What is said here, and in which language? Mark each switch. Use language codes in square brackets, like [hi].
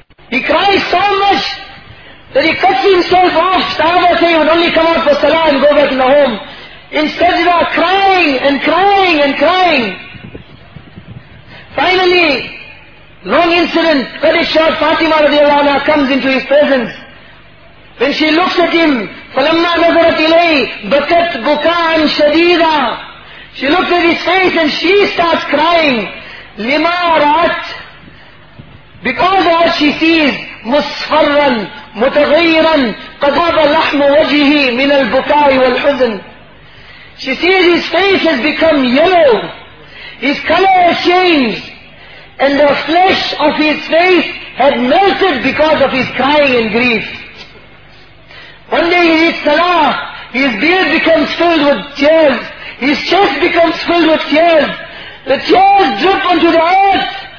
[en] He cries so much that he cuts himself off. Sahaba say he would only come out for salah and go back in the home. In sajda, crying and crying and crying. Finally, Long incident. Khadija Fatima radiallahu anha comes into his presence. When she looks at him, [ar] فَلَمَّا نَظَرَتْ إِلَيْهِ بَكَتْ بُكَاءً شَدِيدًا. [en] She looks at his face and she starts crying. [ar] لِمَا رَأَتْ. [en] Because of what she sees, [ar] مُصْفَرًّا مُتَغَيِّرًا قَضَابَ لَحْمُ وَجِهِ مِنَ الْبُكَاءِ وَالْحُزْنِ. [en] She sees his face has become yellow. His color has changed. And the flesh of his face had melted because of his crying and grief. One day he reads Salah, his beard becomes filled with tears, his chest becomes filled with tears, the tears drip onto the earth.